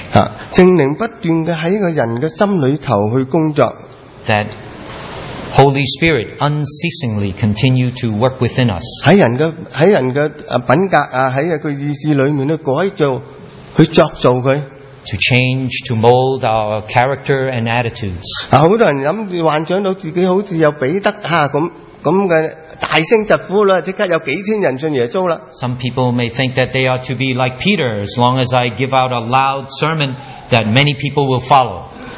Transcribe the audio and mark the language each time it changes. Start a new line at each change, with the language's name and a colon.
Chinese: 啊, 聖靈不斷地在一個人的心裡去工作,
English: that Holy Spirit unceasingly continue to work within us.
Chinese: 在人的品格,
English: to change, to mold our character and attitutes.
Chinese: 啊, 很多人想幻想到自己好像有彼得, 啊,
English: some people may think that they are to be like Peter, as long as I give out a loud sermon that many people will follow.